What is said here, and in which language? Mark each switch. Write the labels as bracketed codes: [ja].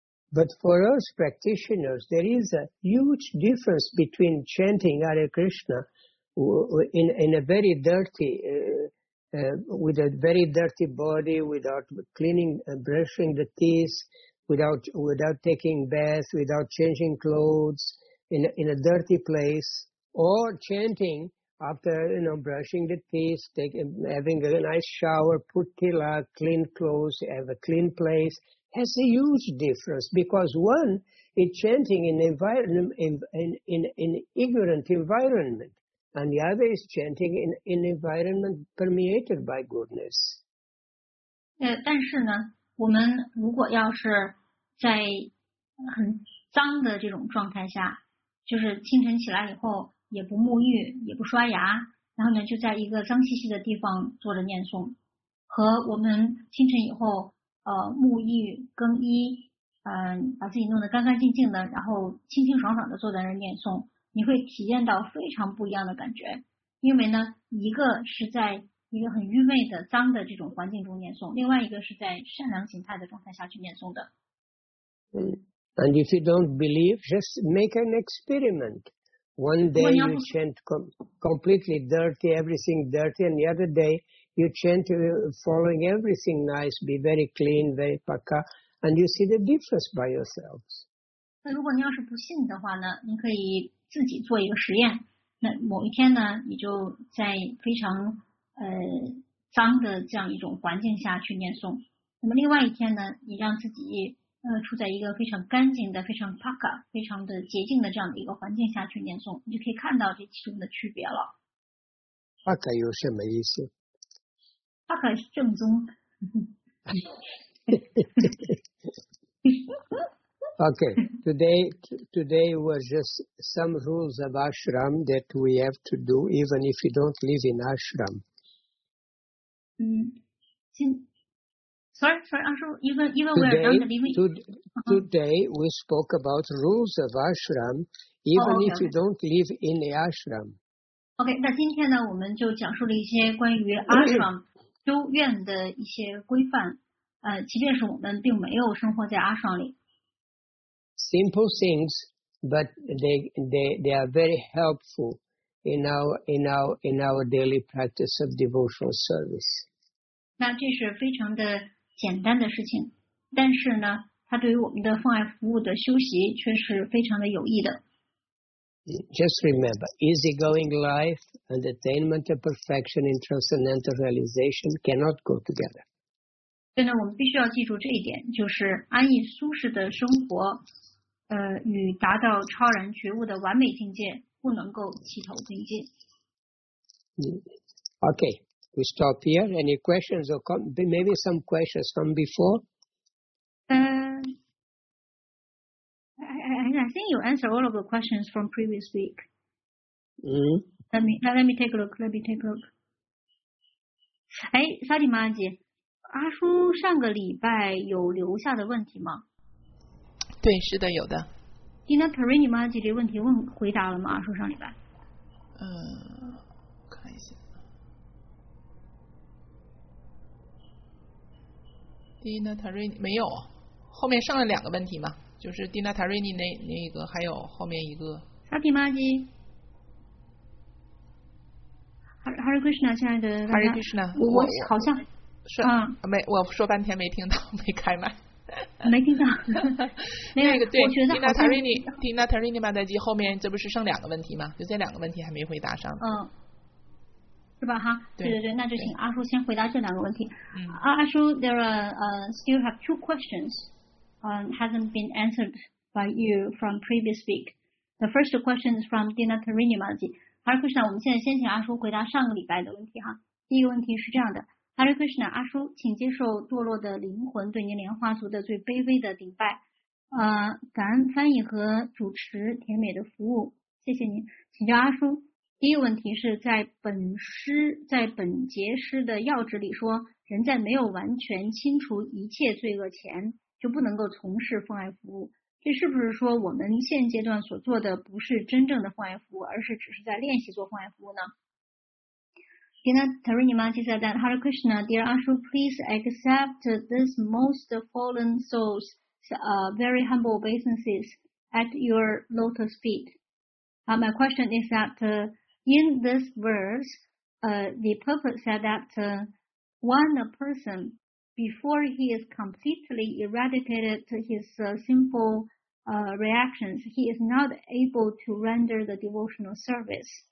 [en] But for us practitioners, there is a huge difference between chanting Hare Krishna in a very dirty, with a very dirty body, without cleaning, brushing the teeth, without taking bath, without changing clothes, in a dirty place, or chanting after, you know, brushing the teeth, having a nice shower, put tila, clean clothes, have a clean place. Has a huge difference because one is chanting in an ignorant environment, and the other is chanting in an environment permeated by goodness. [zh] 但是呢，我们如果要是在很脏的这种状态下，就是清晨起来以后也不沐浴，也不刷牙，然后呢就在一个脏兮兮的地方坐着念诵，和我们清晨以后。沐浴更衣，把自己弄得干干净净的，然后清清爽爽的坐在那念诵，你会体验到非常不一样的感觉。因为呢，一个是在一个很愚昧的脏的这种环境中念诵，另外一个是在善良形态的状态下去念诵的。 [en] And if you don't believe, just make an experiment. One day you chant completely dirty, everything dirty, and the other day. You chant following everything nice, be very clean, very paka, and you see the difference by yourselves. [zh] 那如果你要是不信的话呢，你可以自己做一个实验。那某一天呢，你就在非常脏的这样一种环境下去念诵。那么另外一天呢，你让自己处在一个非常干净的、非常 paka、非常的洁净的这样的一个环境下去念诵，你就可以看到这其中的区别了。 paka 有什么意思？他很正宗。 [en] Okay, today was just some rules of ashram that we have to do, even if you don't live in ashram. Today we spoke about rules of ashram, even if you don't live in the ashram. [zh] Okay, 那今天呢，我们就讲述了一些关于 ashram。修院的一些规范，即便是我们并没有生活在阿爽里。 [en] Simple things, but they are very helpful in our daily practice of devotional service. [zh] 那这是非常的简单的事情，但是呢，它对于我们的奉爱服务的修习却是非常的有益的。 [en] Just remember, easygoing life and attainment of perfection in transcendental realization cannot go together. [zh] 所以呢，我们必须要记住这一点，就是安逸舒适的生活，与达到超然觉悟的完美境界不能够齐头并进。 [en] Okay, we stop here. Any questions or maybe some questions from before? I think you answered all of the questions from previous week. Let me take a look. [zh] 哎，萨蒂玛吉，阿叔上个礼拜有留下的问题吗？对，是的，有的。那帕瑞尼玛吉这问题问回答了吗？阿叔上礼拜？看一下。蒂娜塔瑞尼没有，后面上了两个问题吗？就是蒂娜塔瑞尼那个，还有后面一个。萨提玛吉，Hare Krishna， 亲爱的 Hare Krishna，我好像是没，我说半天没听到，没开麦，没听到。那个对，蒂娜塔瑞尼玛德吉后面这不是剩两个问题吗？就这两个问题还没回答上。是吧哈？对，那就请阿叔先回答这两个问题。 [en] 阿叔 ，there are still have two questions。 Hasn't been answered by you from previous week. The first question is from Dina Tarini Maji. [zh] Hare Krishna, 我们现在先请阿叔回答上个礼拜的问题哈。第一个问题是这样的 ，Hare Krishna, 阿叔，请接受堕落的灵魂对您莲花族的最卑微的顶拜。感恩翻译和主持甜美的服务，谢谢您。请教阿叔，第一个问题是在本节诗的要旨里说，人在没有完全清除一切罪恶前。就不能够从事奉爱服务。这是不是说我们现阶段所做的不是真正的奉爱服务，而是只是在练习做奉爱服务呢？ [en] Dina Tarini Maji said that Hare Krishna, dear Ashu, please accept this most fallen soul's very humble obeisances at your lotus feet. My question is that in this verse, the Prophet said that when a person, before he is completely eradicated his sinful reactions, he is not able to render the devotional service.